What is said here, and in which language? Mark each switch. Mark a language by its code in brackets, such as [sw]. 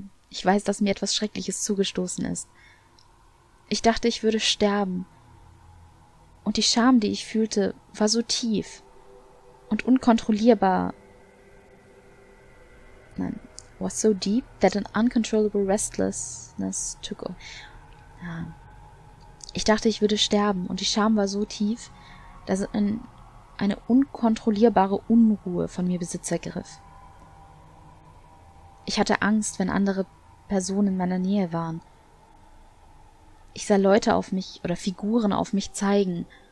[de] Ich weiß, dass mir etwas Schreckliches zugestoßen ist. Ich dachte, ich würde sterben. Und die Scham, die ich fühlte, war so tief und unkontrollierbar. [en] Was so deep that an uncontrollable restlessness took over. [de] Ich dachte, ich würde sterben, und die Scham war so tief, dass eine unkontrollierbare Unruhe von mir Besitz ergriff. Ich hatte Angst, wenn andere Personen in meiner Nähe waren. Ich sah Leute auf mich oder Figuren auf mich zeigen.